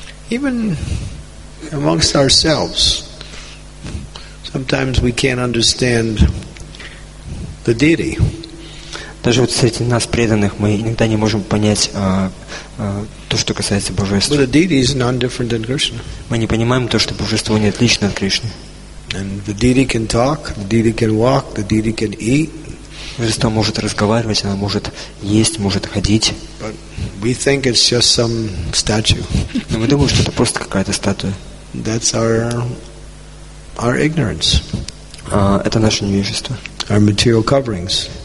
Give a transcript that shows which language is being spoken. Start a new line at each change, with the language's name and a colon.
English: Even amongst ourselves, sometimes we can't understand the deity.
Russian: Даже вот среди нас преданных мы иногда не можем понять то, что касается божества.
English: But the deity is none different than Krishna.
Russian: Мы не понимаем то, что божество не отлично от Кришны.
English: And the deity can talk, the deity can walk, the deity can eat.
Russian: Божество может разговаривать, оно может есть, может ходить.
English: But we think it's just some statue.
Russian: Но мы думаем, что это просто какая-то статуя.
English: That's our ignorance.
Russian: Это наше невежество.
English: Our material coverings.